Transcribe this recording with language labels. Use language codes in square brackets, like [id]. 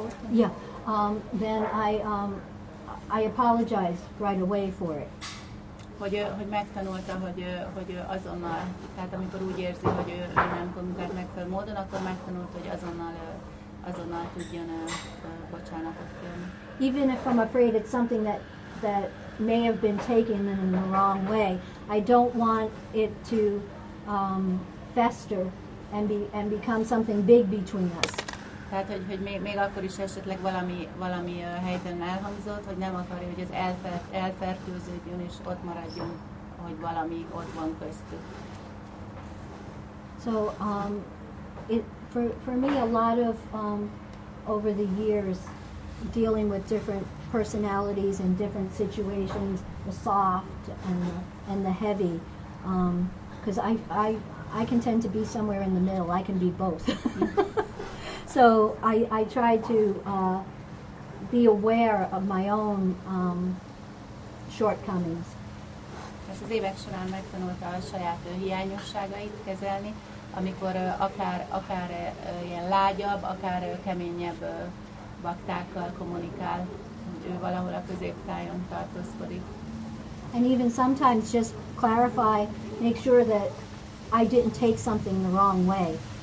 [en] yeah, then I apologize right away for it. [hu] Hogy megtanulta, hogy azonnal, tehát amikor úgy érzi, hogy ő nem kommunikált megfelelő módon, akkor megtanult, hogy azonnal tudjon bocsánatot kérni. [en] Even if I'm afraid it's something that may have been taken in the wrong way, I don't want it to fester and become something big between us. [hu] Tehát, hogy még akkor is esetleg valami helyzetben elhangzott, hogy nem akarja, hogy ez elfertőződjön és ott maradjon, hogy valami ott van köztük. [en] So, for me, a lot of over the years dealing with different personalities and different situations, the soft and the heavy, because I can tend to be somewhere in the middle. I can be both. So I try to be aware of my own shortcomings. [hu] Ezt az évek során megtanulta a saját hiányosságait kezelni, amikor akár ilyen lágyabb, akár keményebb baktákkal kommunikál, ő valahol a középtájon tartózkodik. [en] And even sometimes just clarify, make sure that I didn't take something the wrong way.